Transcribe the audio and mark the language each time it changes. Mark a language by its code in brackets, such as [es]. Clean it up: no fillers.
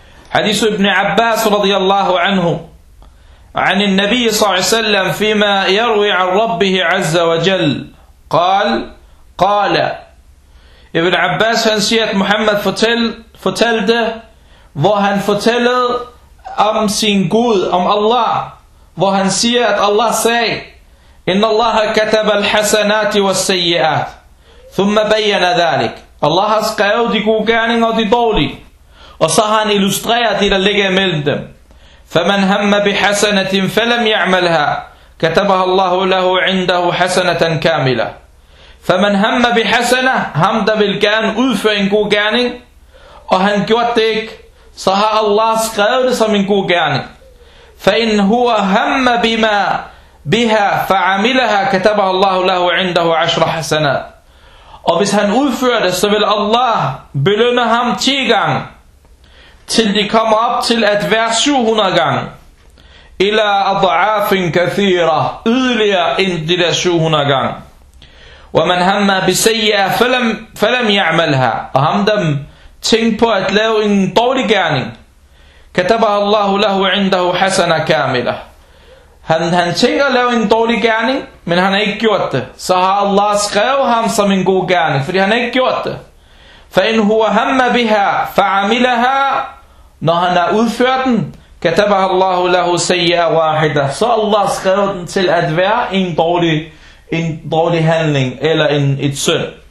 [ar] حديث ابن عباس رضي الله عنه عن النبي صلى الله عليه وسلم فيما يروي عن ربه عز وجل قال قال ابن عباس [da] han siger at Muhammad fortalte hvor han fortalte om sin Gud, om Allah, hvor han siger at Allah sagde [ar] إن الله كتب الحسنات والسيئات ثم بين ذلك. [da] Allah har skrevet de gode gerninger og de dårlige. Og så har han illustreret det, der ligger imellem dem. [ar] فَمَنْ هَمَّ بِحَسَنَةٍ فَلَمْ يَعْمَلْهَا كَتَبَهَ اللَّهُ لَهُ عِنْدَهُ حَسَنَةً كَامِلَةً. فَمَنْ هَمَّ بِحَسَنَةٍ, [da] ham der vil gerne udføre en god gerning, og han gjort det ikke, så har Allah skrevet det som en god gerning. [ar] فَإِنْ هُوَ هَمَّ بِمَا بِهَا فَعَمِلَهَا كَتَبَهَ اللَّهُ لَهُ عِنْدَهُ عَشْرَ حَسَنَةً. [da] Og hvis han udfører det, så vil Allah belønne ham 10 gange, til de kommer op til at være 700 gange. [ar] إلى أضعاف كثيرة, [da] yderligere end de der 700 gange. [ar] ومن هم بسيئة فلم يعملها, [da] og ham dem tænkte på at lave en dårlig gerning, [ar] كتبها الله له عنده حسنة كاملة. [da] Han tænker at lave en dårlig gerning, men han har ikke gjort det. Så har Allah skrevet ham som en god gerning, fordi han har ikke gjort det. [ar] فَإِنْ هُوَ هَمَّ بِهَا فَعَمِلَهَا. [da] Når han har udført den, [ar] كَتَبَهَ اللَّهُ لَهُ سَيَّا وَاحِدَ. [da] Så Allah skrev den til at være en dårlig handling, eller et synd.